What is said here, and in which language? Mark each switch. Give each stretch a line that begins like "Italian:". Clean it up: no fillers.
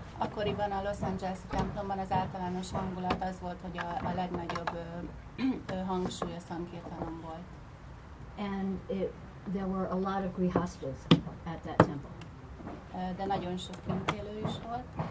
Hungarian: Akkoriban a Los Angeles templomban az általános hangulat az volt, hogy a legnagyobb hangsúly a szankirtanon volt.
English: And there were a lot of grihasthas at that temple.
Hungarian: De nagyon sok kint élő is volt.